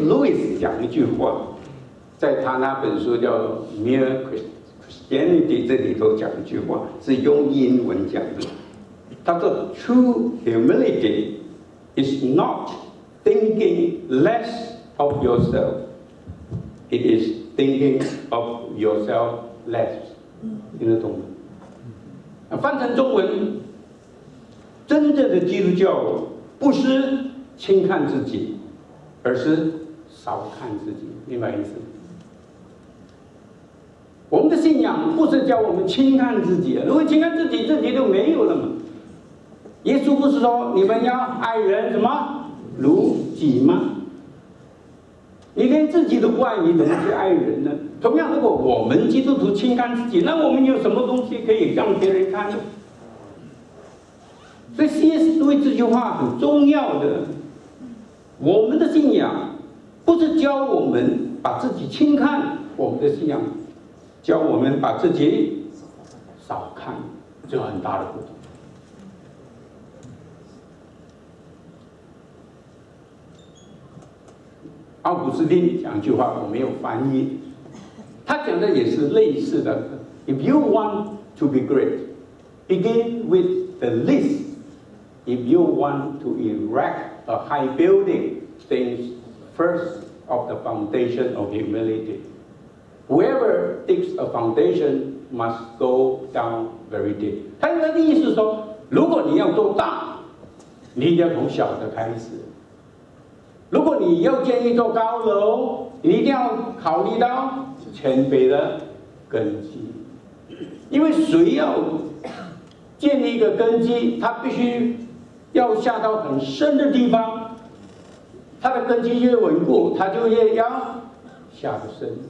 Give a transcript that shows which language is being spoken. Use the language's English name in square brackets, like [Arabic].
[Chinese] Lewis 讲一句话，在他那本书叫 Mere Christianity 这里头讲一句话，是用英文讲的，他说 [English] True humilityIt's not thinking less of yourself. It is thinking of yourself less. [Chinese] 听得懂吗？翻成中文，真正的基督教不是轻看自己，而是少看自己，明白意思？我们的信仰不是叫我们轻看自己，如果轻看自己，自己就没有了嘛。耶稣不是说你们要爱人什么如己吗？你连自己都不爱，你怎么去爱人呢？同样，如果我们基督徒轻看自己，那我们有什么东西可以让别人看呢？所以 C.S. 对这句话很重要的，我们的信仰不是教我们把自己轻看，我们的信仰教我们把自己少看，这很大的不同。奥古斯丁讲一句话，我没有翻译，他讲的也是类似的。 [English] If you want to be great, begin with the least. If you want to erect a high building, think first of the foundation of humility. Whoever digs a foundation must go down very deep. [Chinese] 他的意思是说，如果你要做大，你要从小的开始。如果你要建一座高楼，你一定要考虑到谦卑的根基，因为谁要建立一个根基，他必须要下到很深的地方，他的根基越稳固，他就越要下得深。